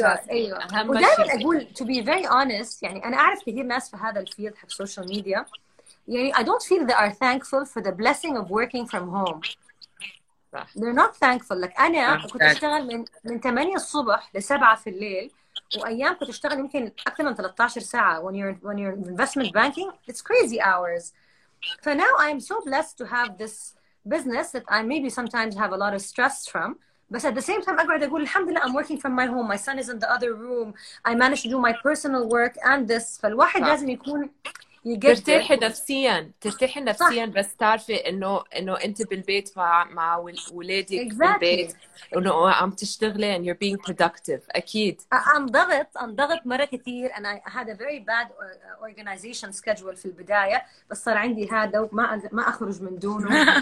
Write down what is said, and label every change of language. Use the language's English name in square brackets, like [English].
[Arabic] أيوة. ودائما أقول [English] to be very honest [Arabic] يعني أنا أعرف كثير ناس في هذا الفيلد حق [English] social media [Arabic] يعني [English] I don't feel they are thankful for the blessing of working from home. They're not thankful. [Arabic] Like أنا كنت أشتغل من 8 الصبح لسبعة في الليل وأيام كنت أشتغل يمكن أكثر من 13 ساعة [English] when you're investment banking it's crazy hours. For now I'm so blessed to have this business that I maybe sometimes have a lot of stress from, but at the same time, [Arabic] أقعد أقول الحمد لله [English] I'm working from my home. My son is in the other room. I manage to do my personal work and this. [Arabic] فالواحد لازم يكون ترتاح نفسياً. ترتاح نفسياً بس تعرفي إنه أنت بالبيت مع ولادك بالبيت إنه عم تشتغلي [English] and you're being productive. [Arabic] أكيد. أنضغط مرة كثير [English] and I had a very bad organization schedule [Arabic] في البداية بس صار عندي هذا وما أخرج من دونه.